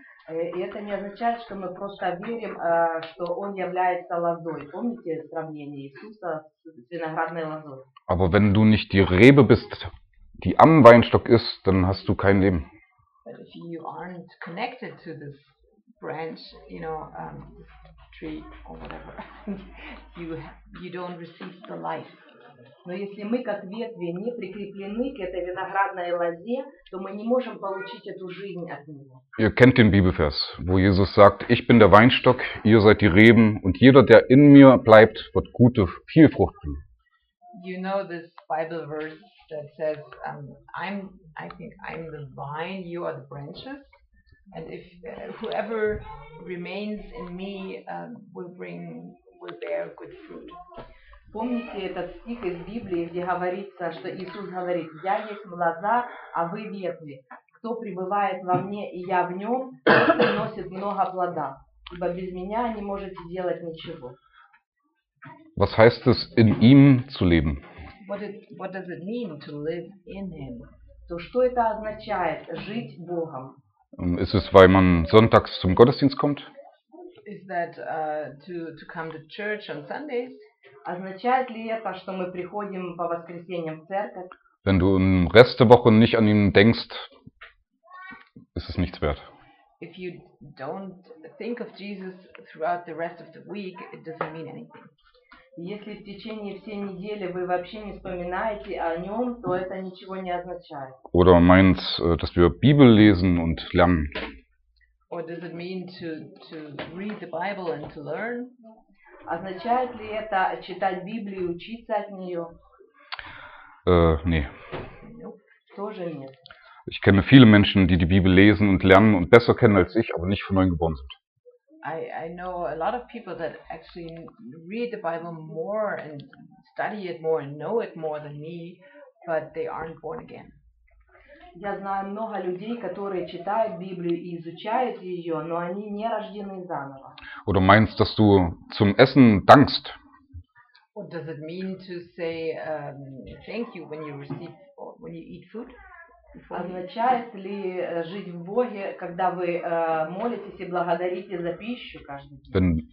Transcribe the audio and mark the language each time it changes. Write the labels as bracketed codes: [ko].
[ru] И это не означает, что мы просто верим, что он является лозой. Помните сравнение Иисуса с виноградной лозой? [de] Aber wenn du nicht die Rebe bist, die am Weinstock ist, dann hast du kein Leben. [en] But if you aren't connected to this branch, you know, this tree or whatever, you don't receive the life. [ru] Но если мы как ветви не прикреплены к этой виноградной лозе, то мы не можем получить эту жизнь от него. [de] Ihr kennt den Bibelvers, wo Jesus sagt: Ich bin der Weinstock, ihr seid die Reben, und jeder, der in mir bleibt, wird gute, viel Frucht bringen. [en] You know this Bible verse that says, I'm the vine, you are the branches, and if whoever remains in me will bear good fruit. [ru] Помните этот стих из Библии, где говорится, что Иисус говорит: «Я есть лоза, а вы ветви. Кто пребывает во мне, и я в нем, тот приносит много плода, ибо без меня не можете делать ничего». [de] Was heißt es, in ihm zu leben? [en] What does it mean to live in him? [ru] То что это означает, жить Богом? [de] Ist es, weil man sonntags zum Gottesdienst kommt? [en] Is that to come to church on Sundays? [ru] означает ли это, что мы приходим по воскресеньям в церковь? [de] Wenn du im Rest der Woche nicht an ihn denkst, ist es nichts wert. [en] If you don't think of Jesus throughout the rest of the week, it doesn't mean anything. [ru] Если в течение всей недели вы вообще не вспоминаете о нем, то это ничего не означает. [de] Oder meint, dass wir Bibel lesen und lernen? [en] Or does it mean to read the Bible and to learn? [ru] Означает ли это читать Библию и учиться от нее? [de] Nee. [en] Nope, [ru] тоже нет. [de] Ich kenne viele Menschen, die Bibel lesen und lernen und besser kennen als ich, aber nicht von neuem geboren sind. [en] I know a lot of people that actually read the Bible more and study it more and know it more than me, but they aren't born again. [ru] Я знаю много людей, которые читают Библию и изучают ее, но они не рождены заново. [de] Oder meinst, dass du zum Essen dankst? [en] What does it mean to say thank you when you receive or when you eat food? [ru] Означает ли жить в Боге, когда вы молитесь и благодарите за пищу каждый день?